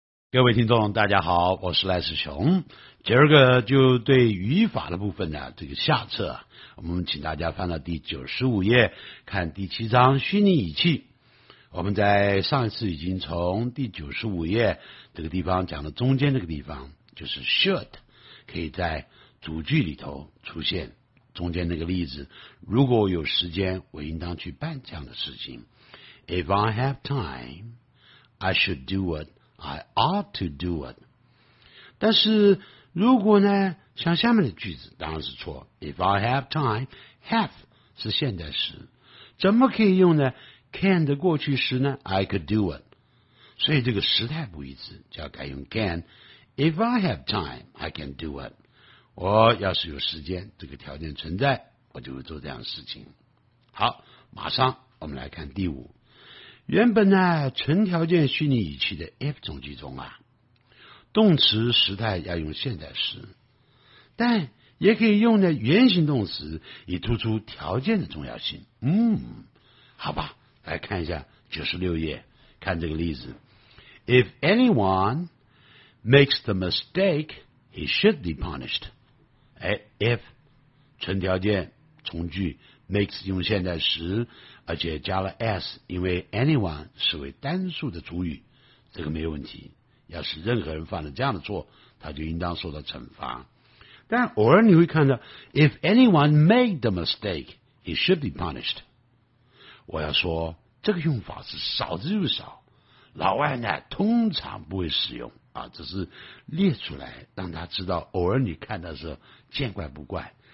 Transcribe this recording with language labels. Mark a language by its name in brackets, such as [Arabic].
[Chinese] 各位听众大家好，我是赖世雄。今儿个就对语法的部分呢，这个下册我们请大家翻到第95页看第七章虚拟语气。我们在上一次已经从第95页这个地方讲到中间这个地方，就是 should 可以在主句里头出现，中间那个例子，如果我有时间我应当去办这样的事情。 [English] If I have time I should do itI ought to do it. [Chinese] 但是如果呢，像下面的句子当然是错。 [English] If I have time, [Chinese] have 是现在时，怎么可以用呢 can 的过去时呢 [English] I could do it. [Chinese] 所以这个时态不一致，就要改用 can. [English] If I have time, I can do it. [Chinese] 我要是有时间，这个条件存在，我就会做这样的事情。好，马上我们来看第五。原本呢，纯条件虚拟语气的 if 从句中啊，动词时态要用现在时，但也可以用的原形动词以突出条件的重要性。好吧，来看一下96页，看这个例子。 [English] If anyone makes the mistake, he should be punished. [Chinese] If 纯条件从句makes 用现在时，而且加了 s， 因为 anyone 是为单数的主语，这个没有问题。要是任何人犯了这样的错，他就应当受到惩罚。但偶尔你会看到 [English] if anyone made the mistake he should be punished， [Chinese] 我要说这个用法是少之又少，老外呢通常不会使用啊，只是列出来让他知道偶尔你看到的时候见怪不怪。